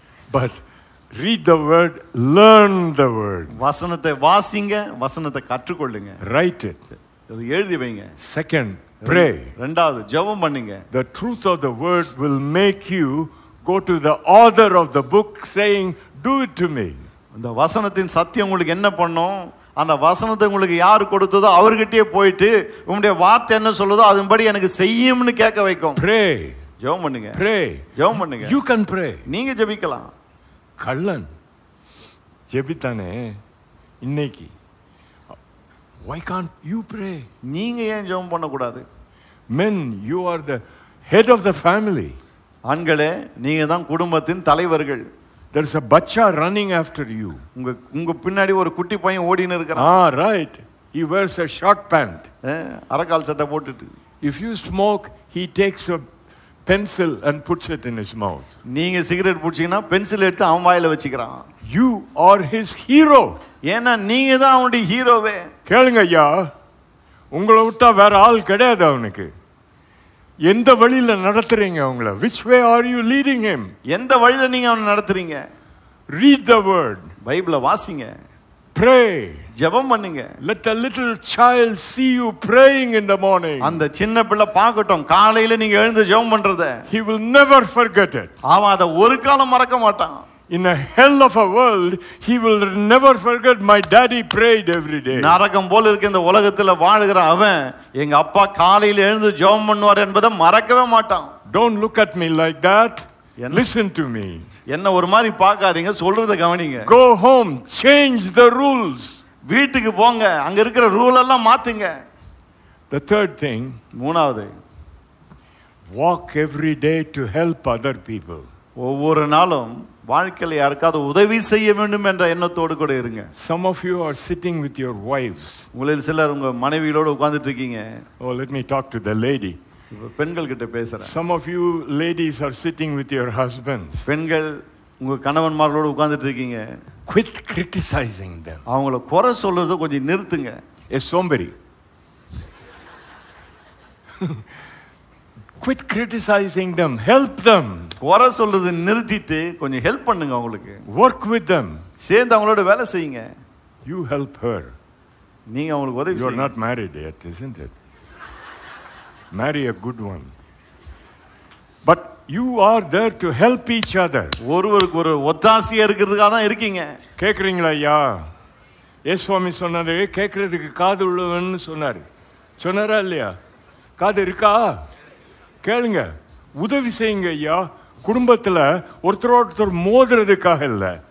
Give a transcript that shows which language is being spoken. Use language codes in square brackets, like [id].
[en] But read the word, learn the word. [ta] Vasanathai vaasinga, vasanathai kattukollunga. [en] Write it. [ta] Adu eludhi veinga. [en] Second, pray. [ta] ரெண்டாவது ஜெபம் பண்ணுங்க. [en] The truth of the word will make you go to the author of the book saying, do it to me. [ta] அந்த வசனத்தின் சத்தியம் உங்களுக்கு என்ன பண்ணோ, அந்த வசனத்தை உங்களுக்கு யார் கொடுத்ததோ அவர்கிட்டயே போயிட்டு உங்களுடைய வார்த்தை என்ன சொல்லுதோ அதன்படி எனக்கு செய்யும்னு கேட்க வைக்கும். [en] Pray. [ta] ஜெபம் பண்ணுங்க. [en] Pray. [ta] ஜெபம் பண்ணுங்க. [en] You can pray. [ta] நீங்க ஜெபிக்கலாம். கள்ளன் ஜெபித்தானே இன்னைக்கு. [en] Why can't you pray? [ta] நீங்க ஏன் ஜெபம் பண்ண கூடாது? [en] Men, you are the head of the family. [ta] ஆண்களே, நீங்க தான் குடும்பத்தின் தலைவர்கள். [en] There is a bachcha running after you. [ta] உங்க பின்னாடி ஒரு குட்டி பையன் ஓடிနေ இருக்கான். [en] Ah, right. He wears a short pant. [ta] அரக்கால் சட்டை போட்டுட்டு. [en] If you smoke, he takes a pencil and puts it in his mouth. [ta] நீங்க சிகரெட் புடிச்சீங்கனா பென்சில் எடுத்து அவன் வாயில வச்சிக்கறான். [en] You are his hero. [ta] ஏனா நீங்க தான் அவனுடைய ஹீரோவே. கேளுங்க ஐயா, உங்களை விட்டா வேற ஆள் கிடையாது அவனுக்கு. எந்த வழியில நடத்துறீங்க அவங்கள? [en] Which way are you leading him? [ta] எந்த வழியில நீங்க அவனை நடத்துறீங்க? [en] Read the word. [ta] பைபிளை வாசிங்க. [en] Pray. [ta] ஜெபம் பண்ணுங்க. [en] Let a little child see you praying in the morning. [ta] அந்த சின்ன பிள்ளை பார்க்கட்டும் காலையில நீங்க எழுந்து ஜெபம் பண்றதை. [en] He will never forget it. [ta] அவன் அதை ஒரு காலம் மறக்க மாட்டான். [en] In a hell of a world, he will never forget my daddy prayed every day. [ta] நரகம் போல இருக்கு இந்த உலகத்துல வாழ்கிற அவன் எங்க அப்பா காலையில எழுந்து ஜெபம் பண்ணுவார் என்பதை மறக்கவே மாட்டான். [en] Don't look at me like that. Listen to me. [ta] என்ன ஒரு மாதிரி பார்க்காதீங்க, சொல்றதை கவனிங்க. [en] Go home, change the rules. [ta] வீட்டுக்கு போங்க, அங்க இருக்கிற ரூல் எல்லாம் மாத்துங்க. [en] The third thing. [ta] மூணாவது, [en] walk every day to help other people. [ta] ஒவ்வொரு நாளும் வாழ்க்கையில் யாருக்காவது உதவி செய்ய வேண்டும் என்ற எண்ணத்தோடு கூட இருங்க. [en] Some of you are sitting with your wives. [ta] உங்களில் சிலர் உங்க மனைவிகளோடு உட்கார்ந்துட்டு இருக்கீங்க. [en] Oh, let me talk to the lady. [ta] பெண்கள் கிட்ட பேசுறேன். [en] Some of you ladies are sitting with your husbands. [ta] பெண்கள் உங்க கணவன்மார்களோடு உட்கார்ந்துட்டு இருக்கீங்க. [en] Quit criticizing them. [ta] அவங்கள குறை சொல்றத கொஞ்சம் நிறுத்துங்க. A சோம்பேறி. [en] Quit criticizing them. Help them. [ta] குறை சொல்றது நிறுத்திட்டு கொஞ்சம் ஹெல்ப் பண்ணுங்க அவங்களுக்கு. [en] Work with them. [ta] சேர்ந்து அவங்களோட வேலை செய்யுங்க. [en] You help her. [ta] நீங்க அவங்களுக்கு உதவி செய்யுங்க. [en] You are not married yet, isn't it? Marry a good one. But you are there to help each other. [ta] ஒருவருக்கு ஒரு ஒத்தாசியா இருக்கிறதுக்காக தான் இருக்கீங்க. கேக்குறீங்களா ஐயா? ஏசுவாமி சொன்னது கேட்கறதுக்கு காது உள்ளவன்னு சொன்னாரு. சொன்னாரா இல்லையா? காது இருக்கா? கேளுங்க, உதவி செய்யுங்க ஐயா. குடும்பத்தில் ஒருத்தர் ஒருத்தர் மோதுறதுக்காக இல்லை,